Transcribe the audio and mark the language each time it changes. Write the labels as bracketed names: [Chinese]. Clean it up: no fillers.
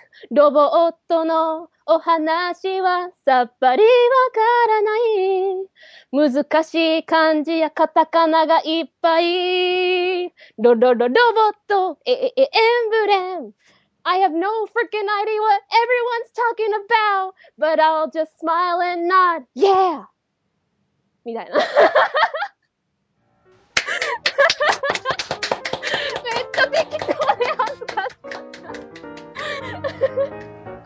[Japanese] ロボットのお話はさっぱりわからない。難しい漢字やカタカナがいっぱい。ロロロロボット、エンブレム。 [English] I have no freaking idea what everyone's talking about, but I'll just smile and nod, yeah! [Japanese] みたいな。めっちゃ適当で恥ずかしかった。